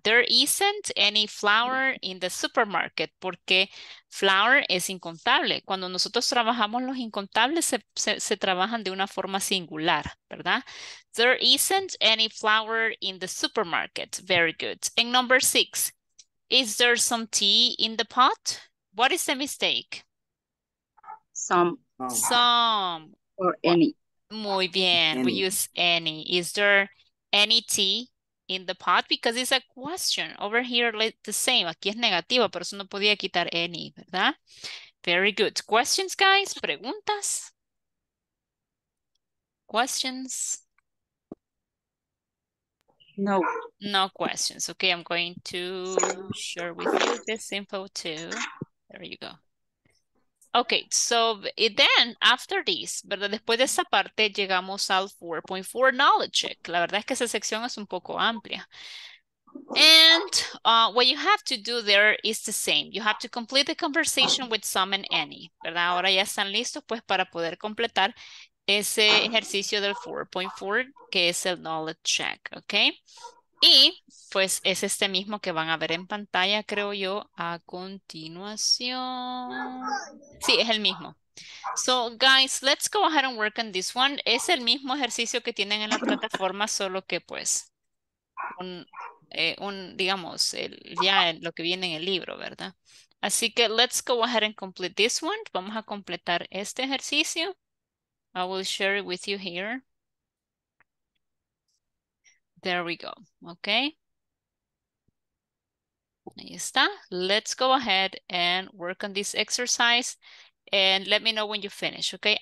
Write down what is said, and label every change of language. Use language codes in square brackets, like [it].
[en] There isn't any flour in the supermarket, [es] porque flour es incontable. Cuando nosotros trabajamos los incontables, se trabajan de una forma singular, ¿verdad? [en] There isn't any flour in the supermarket. Very good. En number six, is there some tea in the pot? What is the mistake? Some. Or any. [es] Muy bien. [en] Any. We use any. Is there any tea in the pot? Because it's a question. Over here, like the same. [es] Aquí es negativa, pero eso no podía quitar any, ¿verdad? [en] Very good. Questions, guys? [es] ¿Preguntas? [en] Questions? No. No questions. Okay, I'm going to share with you this info too. There you go. Okay, so then after this, [es] ¿verdad? Después de esa parte llegamos al 4.4 knowledge check. La verdad es que esa sección es un poco amplia. [en] And what you have to do there is the same. You have to complete the conversation with some and any, [es] ¿verdad? Ahora ya están listos pues para poder completar ese ejercicio del 4.4 que es el knowledge check, ¿okay? Y pues es este mismo que van a ver en pantalla, creo yo, a continuación. Sí, es el mismo. [en] So, guys, let's go ahead and work on this one. [es] Es el mismo ejercicio que tienen en la plataforma, solo que pues, lo que viene en el libro, ¿verdad? Así que [en] let's go ahead and complete this one. [es] Vamos a completar este ejercicio. [en] I will share it with you here. There we go, okay? [es] Ahí está. [en] Let's go ahead and work on this exercise and let me know when you finish, okay?